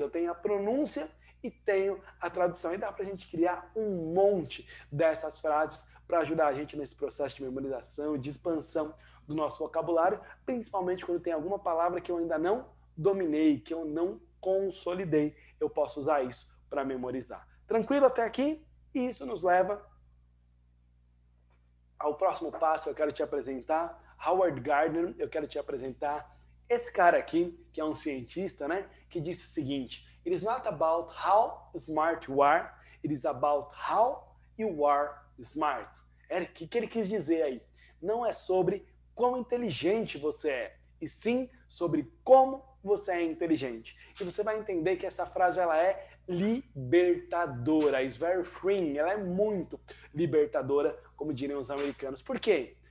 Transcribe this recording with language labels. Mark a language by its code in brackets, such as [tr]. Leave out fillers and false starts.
[pt] Eu tenho a pronúncia e tenho a tradução. E dá para a gente criar um monte dessas frases para ajudar a gente nesse processo de memorização e de expansão do nosso vocabulário, principalmente quando tem alguma palavra que eu ainda não dominei, que eu não consolidei, eu posso usar isso para memorizar. Tranquilo até aqui? E isso nos leva ao próximo passo. Eu quero te apresentar Howard Gardner, eu quero te apresentar esse cara aqui, que é um cientista, né? Que disse o seguinte: [en] It is not about how smart you are, it is about how you are smart. [pt] É o que ele quis dizer aí. Não é sobre quão inteligente você é, e sim sobre como você é inteligente. E você vai entender que essa frase ela é libertadora. [en] It's very freeing. [pt] Ela é muito libertadora, como diriam os americanos. Por quê?